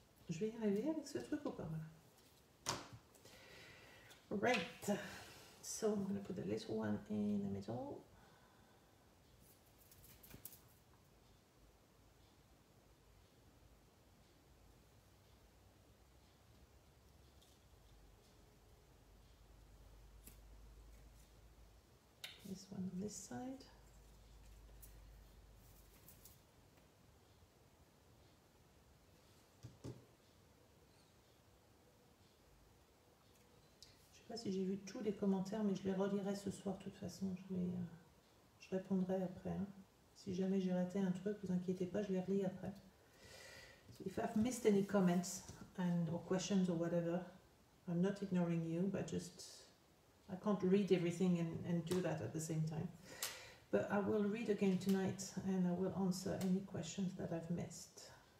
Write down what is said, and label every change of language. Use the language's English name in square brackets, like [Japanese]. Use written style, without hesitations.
[French] Je vais y arriver avec ce truc ou pas? Voilà. Right. [English] So, I'm going to put the little one in the middle. This one on this side. [French] Si j'ai vu tous les commentaires, mais je les relirai ce soir de toute façon. Je répondrai après. Hein. Si jamais j'ai raté un truc, vous inquiétez pas, je les relis après. [English] If I've missed any comments and or questions or whatever, I'm not ignoring you, but just I can't read everything and do that at the same time. But I will read again tonight and I will answer any questions that I've missed.